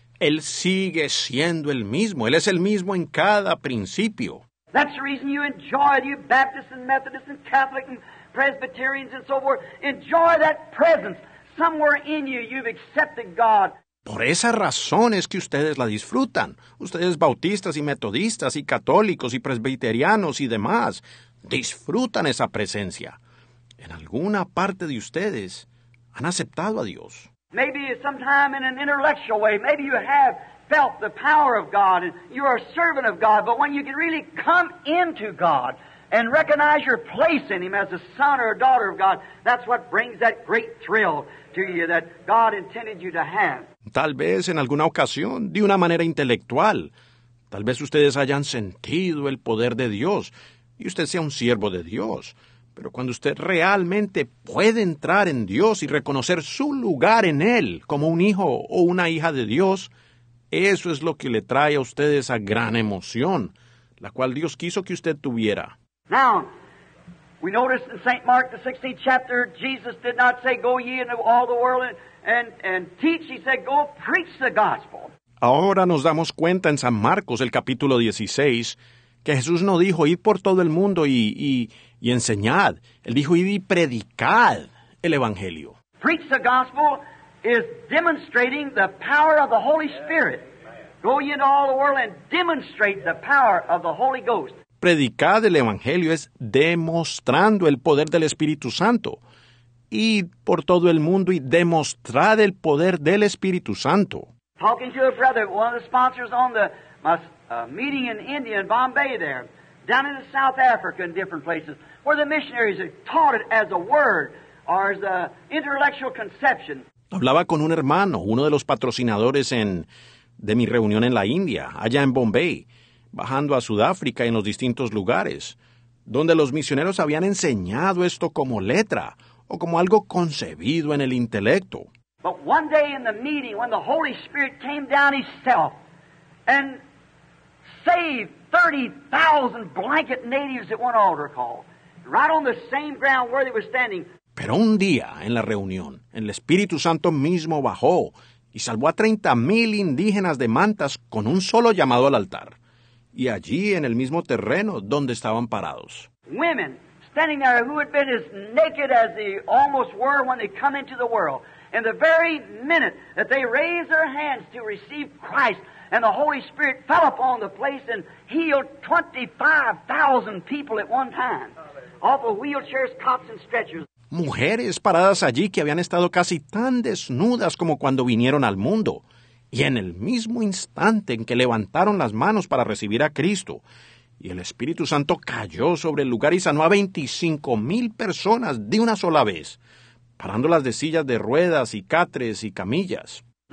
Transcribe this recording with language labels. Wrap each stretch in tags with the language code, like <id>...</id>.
<es>Él sigue siendo el mismo. Él es el mismo en cada principio.</es> <en>That's the reason you enjoy it, you Baptists and Methodists and Catholics and Presbyterians and so forth. Enjoy that presence. Somewhere in you, you've accepted God.</en> <es>Por esa razón es que ustedes la disfrutan. Ustedes bautistas y metodistas y católicos y presbiterianos y demás, disfrutan esa presencia. En alguna parte de ustedes han aceptado a Dios.</es> <en>Maybe sometime in an intellectual way, maybe you have felt the power of God, and you're a servant of God, but when you can really come into God and recognize your place in Him as a son or a daughter of God. That's what brings that great thrill to you that God intended you to have.</en> <es>Tal vez en alguna ocasión, de una manera intelectual, tal vez ustedes hayan sentido el poder de Dios y usted sea un siervo de Dios. Pero cuando usted realmente puede entrar en Dios y reconocer su lugar en Él como un hijo o una hija de Dios, eso es lo que le trae a usted esa gran emoción, la cual Dios quiso que usted tuviera.</es> <en>Now, we notice in St. Mark, the 16th chapter, Jesus did not say, go ye into all the world and teach. He said, go preach the gospel.</en> <es>Ahora nos damos cuenta en San Marcos, el capítulo 16, que Jesús no dijo, id por todo el mundo y enseñad. Él dijo, id y predicad el Evangelio.</es> <en>Preach the gospel is demonstrating the power of the Holy Spirit. Go ye into all the world and demonstrate the power of the Holy Ghost.</en> <es>Predicad el Evangelio es demostrando el poder del Espíritu Santo. Id por todo el mundo y demostrad el poder del Espíritu Santo.</es> <en>Talking to a brother, one of the sponsors on the meeting in India, in Bombay there, down in South Africa and different places, where the missionaries had taught it as a word or as an intellectual conception.</en> <es>Hablaba con un hermano, uno de los patrocinadores de mi reunión en la India, allá en Bombay, bajando a Sudáfrica y en los distintos lugares, donde los misioneros habían enseñado esto como letra o como algo concebido en el intelecto.</es> <en>But one day in the meeting, when the Holy Spirit came down Himself and saved 30,000 blanket natives at one altar call, right on the same ground where they were standing.</en> <es>Pero un día en la reunión, el Espíritu Santo mismo bajó y salvó a 30,000 indígenas de mantas con un solo llamado al altar. Y allí en el mismo terreno donde estaban parados.</es> <en>Women standing there who had been as naked as they almost were when they come into the world. And the very minute that they raised their hands to receive Christ, and the Holy Spirit fell upon the place and healed 25,000 people at one time. Off of wheelchairs, cots, and stretchers.</en> <es>Mujeres paradas allí que habían estado casi tan desnudas como cuando vinieron al mundo. Y en el mismo instante en que levantaron las manos para recibir a Cristo, y el Espíritu Santo cayó sobre el lugar y sanó a 25,000 personas de una sola vez, parándolas de sillas de ruedas y catres y camillas.</es>